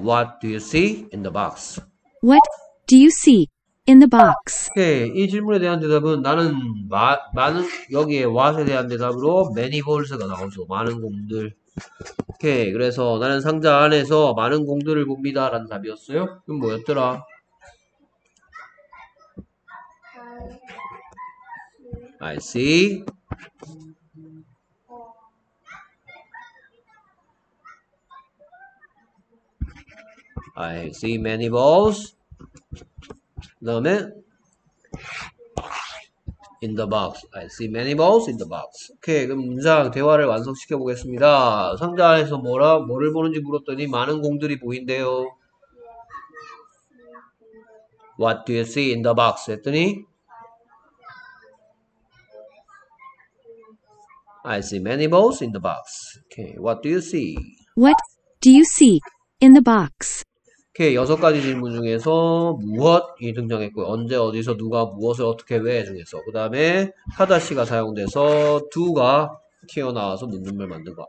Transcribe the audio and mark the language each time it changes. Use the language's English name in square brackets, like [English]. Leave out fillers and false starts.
[English] What do you see in the box? What do you see in the box? [Korean] 오케이. 이 질문에 대한 대답은 나는 많은 여기에 what에 대한 대답으로 [English] many balls [Korean] 가 나오죠. 많은 공들. 오케이. 그래서 나는 상자 안에서 많은 공들을 봅니다라는 답이었어요. 그럼 뭐였더라? [English] I see. 아이, see many balls. [Korean] 그 다음에 [English] in the box. I see many balls in the box. [Korean] 오케이, 그럼 문장 대화를 완성시켜 보겠습니다. 상자 안에서 뭐라 뭐를 보는지 물었더니 많은 공들이 보인대요. [English] What do you see in the box? [Korean] 했더니 [English] I see many balls in the box. 오케이, what do you see? What do you see in the box? [Korean] 이렇게 여섯 가지 질문 중에서 무엇이 등장했고요. 언제, 어디서, 누가, 무엇을, 어떻게, 왜 중에서. 그 다음에 하다시가 사용돼서 두가 튀어나와서 묻는 말 만든 거.